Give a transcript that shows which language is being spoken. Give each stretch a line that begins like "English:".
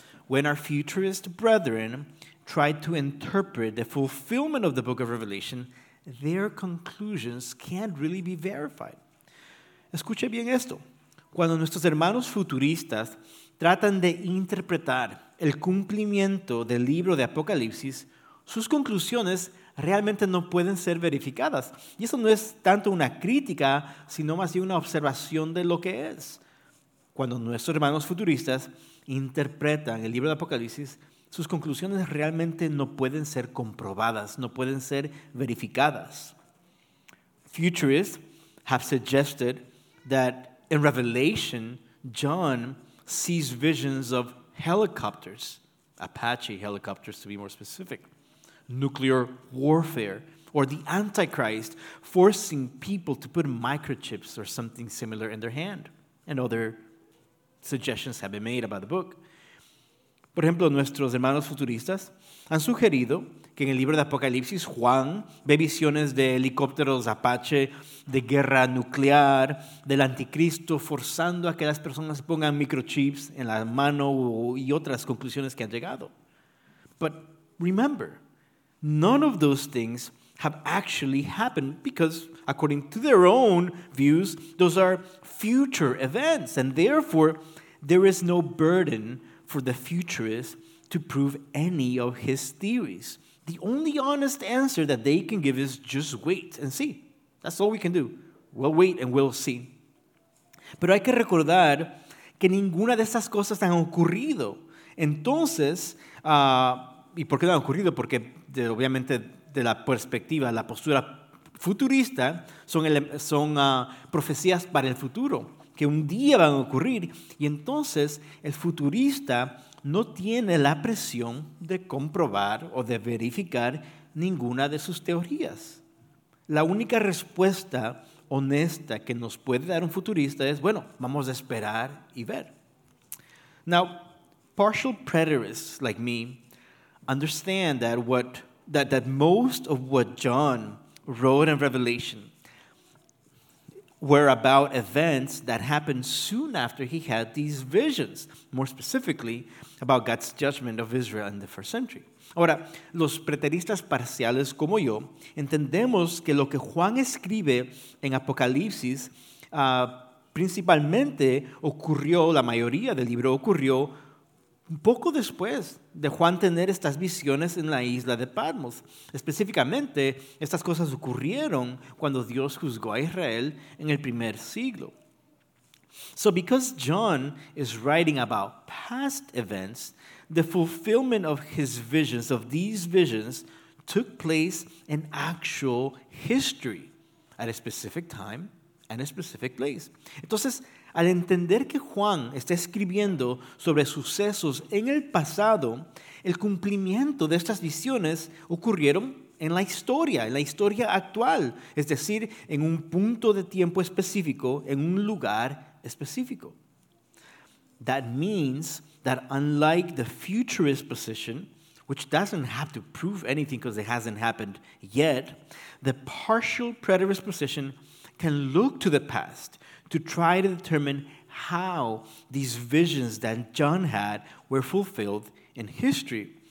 English: When our futurist brethren try to interpret the fulfillment of the book of Revelation, their conclusions can't really be verified.
Spanish: Escuche bien esto. Cuando nuestros hermanos futuristas tratan de interpretar el cumplimiento del libro de Apocalipsis, sus conclusiones realmente no pueden ser verificadas. Y eso no es tanto una crítica, sino más bien una observación de lo que es. Cuando nuestros hermanos futuristas interpretan el libro de Apocalipsis, sus conclusiones realmente no pueden ser comprobadas, no pueden ser verificadas.
English: Futurists have suggested that in Revelation, John sees visions of helicopters, Apache helicopters to be more specific, nuclear warfare, or the Antichrist forcing people to put microchips or something similar in their hand. And other suggestions have been made about the book.
Spanish: Por ejemplo, nuestros hermanos futuristas han sugerido que en el libro de Apocalipsis, Juan ve visiones de helicópteros Apache, de guerra nuclear, del anticristo forzando a que las personas pongan microchips en la mano y otras conclusiones que han llegado.
English: But remember, none of those things have actually happened because, according to their own views, those are future events, and therefore, there is no burden for the futurist to prove any of his theories. The only honest answer that they can give is just wait and see. That's all we can do. We'll wait and we'll see.
Spanish: Pero hay que recordar que ninguna de estas cosas han ocurrido. Entonces, ¿y por qué no han ocurrido? Porque obviamente de la perspectiva, la postura futurista, son profecías para el futuro, que un día van a ocurrir, y entonces el futurista no tiene la presión de comprobar o de verificar ninguna de sus teorías. La única respuesta honesta que nos puede dar un futurista es, bueno, vamos a esperar y ver.
English: Now, partial preterists like me understand that most of what John wrote in Revelation were about events that happened soon after he had these visions, more specifically, about God's judgment of Israel in the first century.
Spanish: Ahora, los preteristas parciales como yo, entendemos que lo que Juan escribe en Apocalipsis principalmente ocurrió, la mayoría del libro ocurrió, un poco después de Juan tener estas visiones en la isla de Patmos. Específicamente, estas cosas ocurrieron cuando Dios juzgó a Israel en el primer siglo.
English: So because John is writing about past events, the fulfillment of his visions, of these visions, took place in actual history at a specific time and a specific place.
Spanish: Entonces, al entender que Juan está escribiendo sobre sucesos en el pasado, el cumplimiento de estas visiones ocurrieron en la historia actual, es decir, en un punto de tiempo específico, en un lugar específico.
English: That means that unlike the futurist position, which doesn't have to prove anything because it hasn't happened yet, the partial preterist position can look to the past to try to determine how these visions that John had were fulfilled in history.